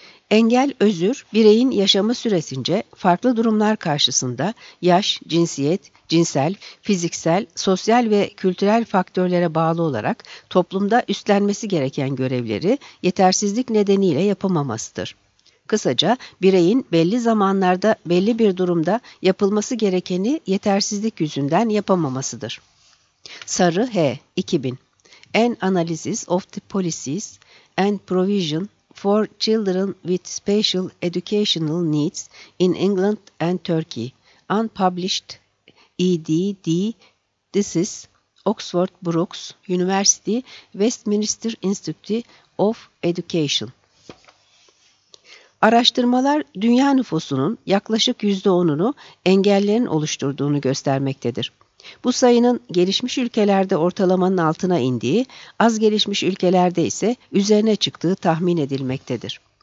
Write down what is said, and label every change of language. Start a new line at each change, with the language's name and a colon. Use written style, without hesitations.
Turkish: Engel, özür, bireyin yaşamı süresince farklı durumlar karşısında yaş, cinsiyet, cinsel, fiziksel, sosyal ve kültürel faktörlere bağlı olarak toplumda üstlenmesi gereken görevleri yetersizlik nedeniyle yapamamasıdır. Kısaca, bireyin belli zamanlarda, belli bir durumda yapılması gerekeni yetersizlik yüzünden yapamamasıdır. Sarı H.
English: 2000 An Analysis of the Policies and Provision for Children with Special Educational Needs in England and Turkey, unpublished EDD, this is Oxford Brookes University, Westminster Institute of Education.
Turkish: Araştırmalar, dünya nüfusunun yaklaşık %10'unu engellilerin oluşturduğunu göstermektedir. Bu sayının gelişmiş ülkelerde ortalamanın altına indiği, az gelişmiş ülkelerde ise üzerine çıktığı tahmin edilmektedir.